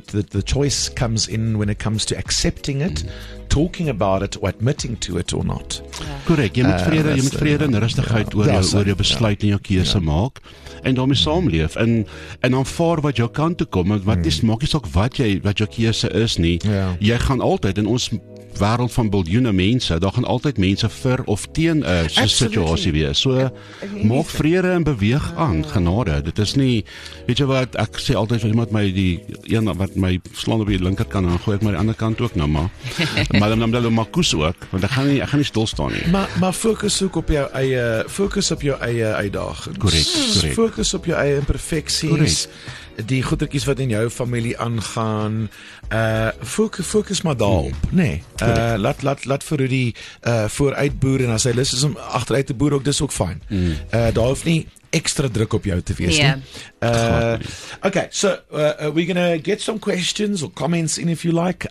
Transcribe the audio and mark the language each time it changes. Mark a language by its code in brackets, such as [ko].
[en] The choice comes in when it comes to accepting it. Talking about it or admitting to it or not. [af] Korrek, jy moet vrede en rustigheid oor jou besluit en jou keuse maak en daarmee saamleef en aanvaar wat jou kant toe kom, want wat is maak nie saak wat jou keuse is nie. [en] Yeah. [af] Jy gaan altyd in ons wêreld van biljoene mense, daar gaan altyd mense vir of teen 'n situasie wees. So maak vrede en beweeg aan, genade. Dit is nie, weet jy wat, ek sê altyd vir iemand my die een wat my slaan op die linkerkant en gooi ek my die ander kant ook nou maar. want ek gaan nie stil staan nie. Maar fokus op jou eie uitdagings. Korrek. Fokus op jou eie imperfecties. [en] Correct. [af] Die goedertjies wat in jou familie aangaan, fokus maar daarop, nee. Laat vir Rudy vooruit boer en as hy lus is om agteruit te boer, ook dis ook fyn. Daar hoef nie extra druk op jou te wees. [en] Yeah. Okay, so we're going to get some questions or comments in if you like.